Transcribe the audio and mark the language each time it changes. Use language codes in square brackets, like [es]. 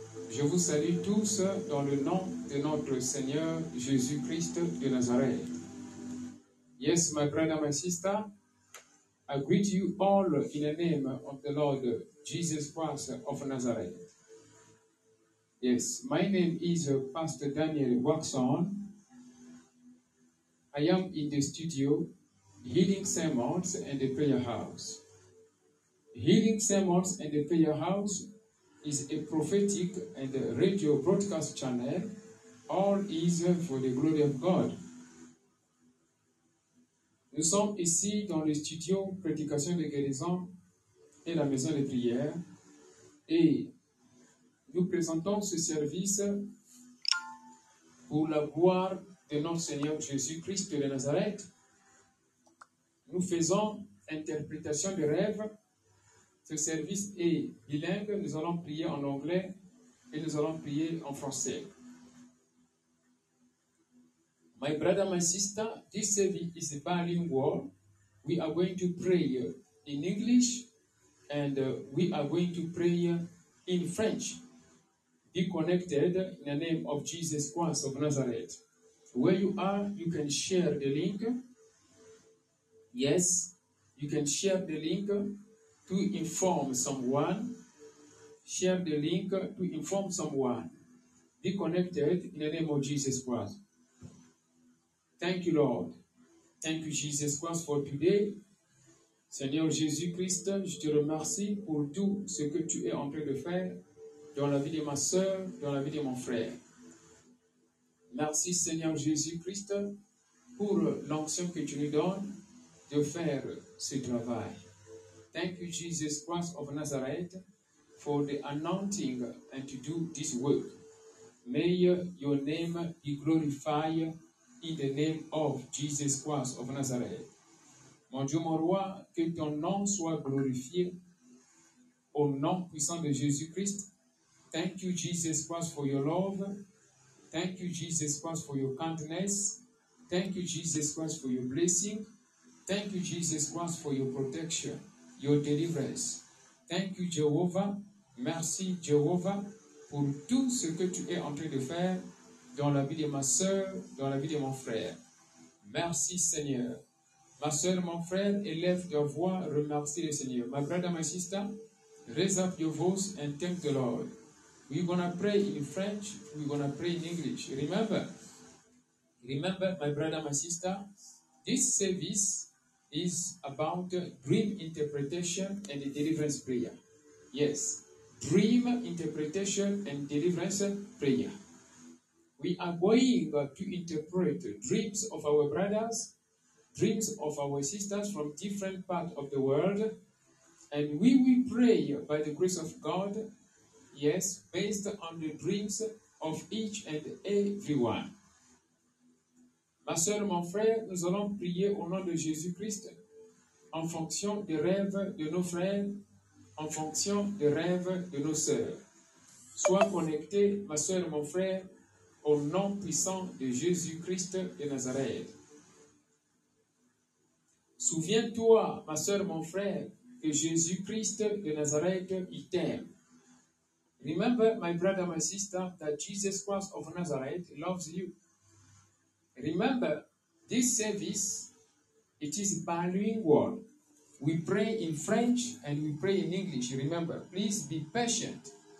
[fr] Je vous salue tous dans le nom de notre Seigneur Jésus-Christ de Nazareth. [en] Yes, my brother, my sister, I greet you all in the name of the Lord Jesus Christ of Nazareth. Yes, my name is Pastor Daniel Waxon. I am in the studio, Healing Sermons and the Prayer House. Healing Sermons and the Prayer House is a prophetic and a radio broadcast channel. All is for the glory of God. [fr] Nous sommes ici dans le studio Prédication de guérison et la maison de prière et nous présentons ce service pour la gloire de notre Seigneur Jésus-Christ de Nazareth. Nous faisons interprétation de rêves. Ce service est bilingue, nous allons prier en anglais et nous allons prier en français. [en] My brother, my sister, this service is bilingual. We are going to pray in English and we are going to pray in French. Be connected in the name of Jesus Christ of Nazareth. Where you are, you can share the link. Yes, you can share the link to inform someone. Share the link to inform someone. Be connected in the name of Jesus Christ. Thank you, Lord. Thank you, Jesus Christ, for today. [fr] Seigneur Jésus-Christ, je te remercie pour tout ce que tu es en train de faire dans la vie de ma sœur, dans la vie de mon frère. Merci, Seigneur Jésus-Christ, pour l'onction que tu nous donnes de faire ce travail. [en] Thank you, Jesus Christ of Nazareth, for the anointing and to do this work. May your name be glorified in the name of Jesus Christ of Nazareth. [fr] Mon Dieu, mon roi, que ton nom soit glorifié au nom puissant de Jésus-Christ. [en] Thank you, Jesus Christ, for your love. Thank you, Jesus Christ, for your kindness. Thank you, Jesus Christ, for your blessing. Thank you, Jesus Christ, for your protection, your deliverance. Thank you, Jehovah. [fr] Merci, Jehovah, pour tout ce que tu es en train de faire dans la vie de ma sœur, dans la vie de mon frère. Merci, Seigneur. Ma sœur, mon frère, élève ta voix, remercie le Seigneur. [en] My brother, my sister, raise up your voice and thank the Lord. We're going to pray in French, we're going to pray in English. Remember, my brother, my sister, this service is about dream interpretation and deliverance prayer. Yes, dream interpretation and deliverance prayer. We are going to interpret dreams of our brothers, dreams of our sisters from different parts of the world. And we will pray by the grace of God, yes, based on the dreams of each and everyone. [fr] Ma soeur, mon frère, nous allons prier au nom de Jésus-Christ en fonction des rêves de nos frères, en fonction des rêves de nos sœurs. Sois connecté, ma soeur, mon frère, au nom puissant de Jésus-Christ de Nazareth. Souviens-toi, ma sœur, mon frère, que Jésus-Christ de Nazareth, il t'aime. [en] Remember, my brother, my sister, that Jesus Christ of Nazareth loves you. Remember, this service, it is bilingual. We pray in French and we pray in English. Remember, please be patient.